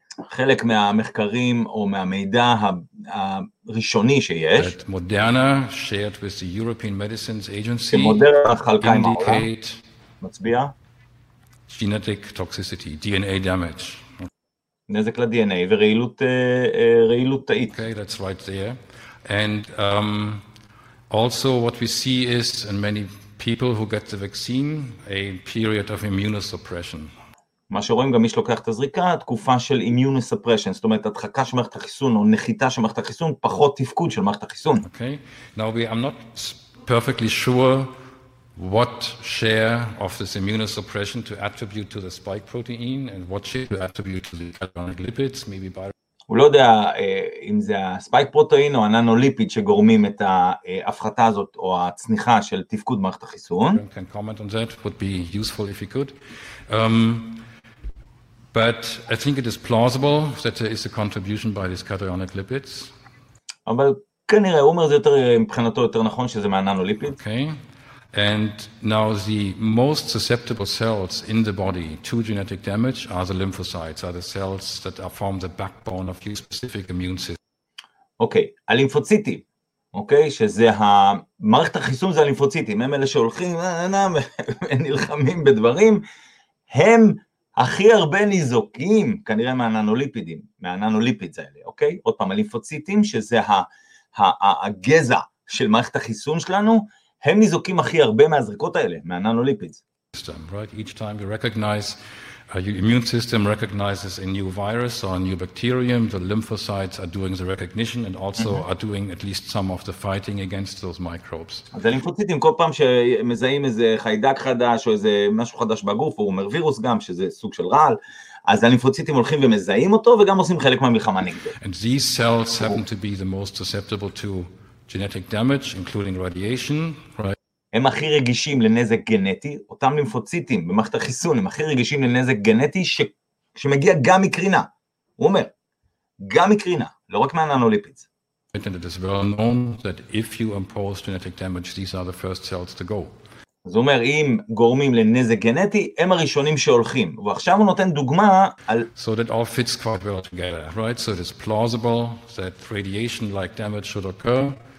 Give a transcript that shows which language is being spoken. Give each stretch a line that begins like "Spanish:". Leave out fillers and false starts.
Hebrew: חלק מהמחקרים או מהמידע הראשוני שיש.
English: That Moderna shared with the European Medicines Agency.
Hebrew: שמודרנה חלקה עם העולם. מצביע.
English: Genetic toxicity, DNA damage.
Hebrew: נזק ל-DNA ורעילות, רעילות תאית.
English: Okay, that's right there. And also what we see is in many people who get the vaccine a period of immunosuppression.
Hebrew: מה שרואים גם מי שלוקח את הזריקה, תקופה של immunosuppression, זאת אומרת הדחקה של מערכת החיסון או נחיתה של מערכת החיסון, פחות תפקוד של מערכת החיסון.
English: Okay. Now I'm not perfectly sure what share of this immunosuppression to attribute to the spike protein and what share to attribute to the cationic lipids, maybe by
Hebrew: הוא לא יודע אם זה הספייק פרוטאין או הננוליפיד שגורמים את ההפחתה הזאת או הצניחה של תפקוד מערכת החיסון.
English: You can comment on that, would be useful if you could. But I think it is plausible that there is a contribution by these cationic lipids.
Hebrew: אבל כנראה, הוא אומר זה יותר, מבחינתו יותר נכון שזה מהננוליפיד.
English: Okay. And now the most susceptible cells in the body to genetic damage are the lymphocytes, are the cells that are form the backbone of your specific immune system.
Hebrew: אוקיי, הלימפוציטים, אוקיי, שזה המערכת החיסון זה הלימפוציטים, הם אלה שהולכים ונלחמים בדברים, הם הכי הרבה ניזוקים, כנראה מהננוליפידים, מהננוליפידים האלה, אוקיי? עוד פעם, הלימפוציטים, שזה הגזע של מערכת החיסון שלנו, הם ניזוקים הכי הרבה מהזריקות האלה, מהננוליפידס.
English: System, right? Each time you recognize, your immune system recognizes a new virus or a new bacterium, the lymphocytes are doing the recognition and also are doing at least some of the fighting against those microbes.
Hebrew: אז הלימפוציטים כל פעם שמזהים איזה חיידק חדש או איזה משהו חדש בגוף, הוא אומר וירוס גם, שזה סוג של רעל, אז הלימפוציטים הולכים ומזהים אותו וגם עושים חלק מהמלחמה נגדו.
English: And these cells happen to be the most susceptible to genetic damage, including radiation, right?
Hebrew: הם הכי רגישים לנזק גנטי, אותם לימפוציטים במערכת החיסון, הם הכי רגישים לנזק גנטי שמגיע גם מקרינה. הוא אומר, גם מקרינה, לא רק מהננוליפידס.
English: And it is well known that if you impose genetic damage, these are the first cells to go.
Hebrew: אז הוא אומר, אם גורמים לנזק גנטי, הם הראשונים שהולכים. ועכשיו הוא נותן דוגמה על...
English: So that all fits quite well together, right? So it is plausible that radiation-like damage should occur.